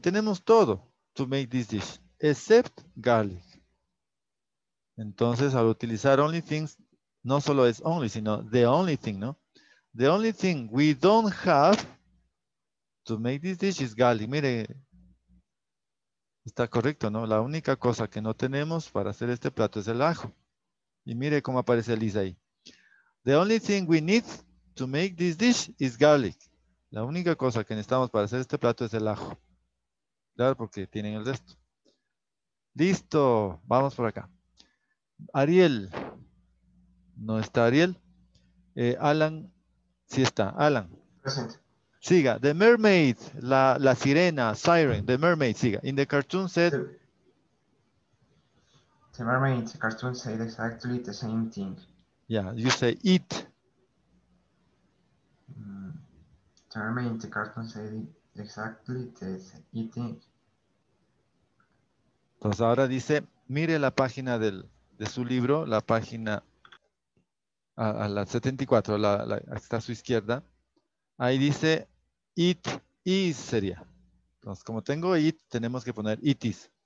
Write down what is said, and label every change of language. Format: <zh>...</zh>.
<es>Tenemos todo</es> <en>to make this dish except garlic.</en> <es>Entonces, al utilizar only things, no solo es only, sino</es> <en>the only thing,</en> <es>¿no?</es> <en>The only thing we don't have to make this dish is garlic.</en> <es>Mire, está correcto, ¿no? La única cosa que no tenemos para hacer este plato es el ajo. Y mire cómo aparece Lisa ahí.</es> <en>The only thing we need to make this dish is garlic.</en> <es>La única cosa que necesitamos para hacer este plato es el ajo. Claro, porque tienen el resto. Listo, vamos por acá. Ariel. No está Ariel. Alan, sí está. Alan.</es> <en>Present.</en> <es>Siga.</es> <en>The mermaid,</en> <es>la sirena,</es> <en>siren, the mermaid,</en> <es>siga.</es> <en>In the cartoon said. The mermaid in the cartoon said exactly the same thing. Yeah, you say it. The mermaid in the cartoon said exactly the same thing.</en> <es>Entonces ahora dice, mire la página de su libro, la página. A la 74, está a su izquierda. Ahí dice,</es> <en>it is</en> <es>sería. Entonces, como tengo it, tenemos que poner it is.</es>